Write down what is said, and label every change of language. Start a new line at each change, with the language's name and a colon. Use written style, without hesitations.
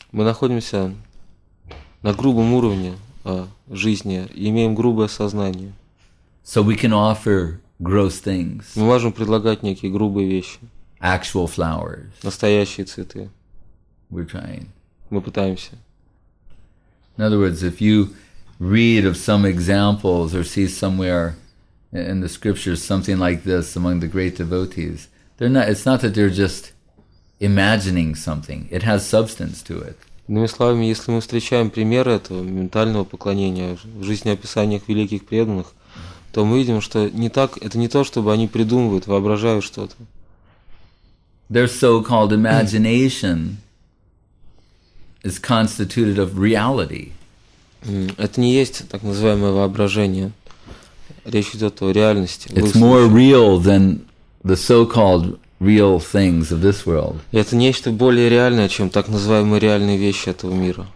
Russian: Мы находимся на грубом уровне жизни, имеем грубое сознание.
English: So we can offer gross things.
Russian: Мы можем предлагать некие грубые вещи.
English: Actual flowers.
Russian: Настоящие цветы.
English: We're trying.
Russian: Мы пытаемся.
English: In other words, if you read of some examples or see somewhere in the scriptures something like this among the great devotees, they're not, it's not that they're just imagining something. It has substance to it.
Russian: Иными словами, если мы встречаем примеры этого ментального поклонения в жизнеописаниях великих преданных, то мы видим, что не так, это не то, чтобы они придумывают, воображают что-то.
English: Their so-called imagination is constituted of reality.
Russian: Это не есть так называемое воображение. Речь идет о реальности.
English: It's more real than the so-called real things of this world.
Russian: Это нечто более реальное, чем так называемые реальные вещи этого мира.